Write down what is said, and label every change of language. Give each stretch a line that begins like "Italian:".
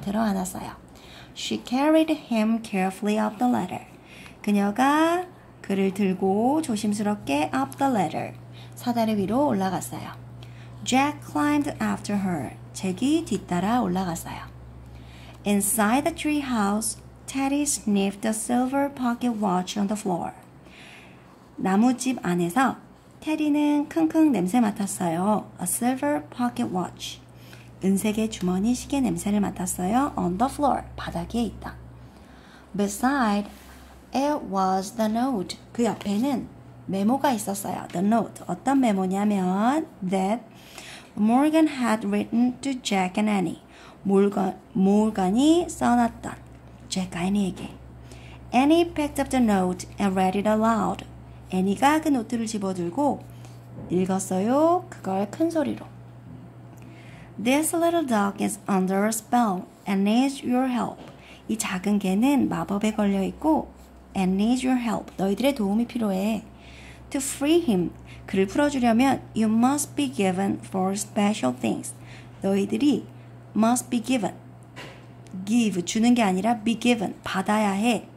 Korean: 들어 안았어요.
English: She carried him carefully up the ladder.
Korean: 그녀가 그를 들고 조심스럽게
English: up the ladder.
Korean: 사다리 위로 올라갔어요.
English: Jack climbed after her.
Korean: 잭이 뒤따라 올라갔어요.
English: Inside the treehouse, Teddy sniffed the silver pocket watch on the floor.
Korean: 나무집 안에서 테디는 킁킁 냄새 맡았어요.
English: A silver pocket watch.
Korean: 은색의 주머니 시계 냄새를 맡았어요.
English: On the floor.
Korean: 바닥에 있다.
English: Beside, it was the note.
Korean: 그 옆에는 메모가 있었어요.
English: The note.
Korean: 어떤 메모냐면
English: that Morgan had written to Jack and Annie.
Korean: 몰간이 써놨던 잭과 애니에게.
English: Annie picked up the note and read it aloud.
Korean: 애니가 그 노트를 집어들고 읽었어요. 그걸 큰 소리로.
English: This little dog is under a spell and needs your help.
Korean: 이 작은 개는 마법에 걸려 있고
English: and needs your help.
Korean: 너희들의 도움이 필요해.
English: To free him,
Korean: 그를 풀어주려면
English: you must be given four special things.
Korean: 너희들이
English: must be given.
Korean: Give, 주는 게 아니라 be given, 받아야 해.